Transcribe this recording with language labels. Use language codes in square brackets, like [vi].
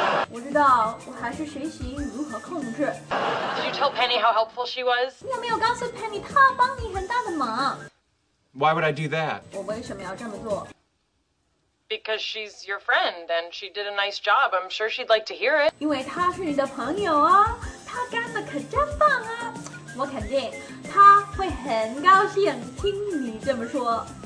[zh] 我知道，我还是学习如何控制。 [en] Did you tell Penny how helpful she was? [zh] 你有没有告诉 Penny 她帮你很大的忙？ [en] Why would I do that? [zh] 我为什么要这么做？ [en] Because she's your friend and she did a nice job. I'm sure she'd like to hear it. [zh] 因为她是你的朋友哦，她干得可真棒啊！我肯定她会很高兴听你这么说。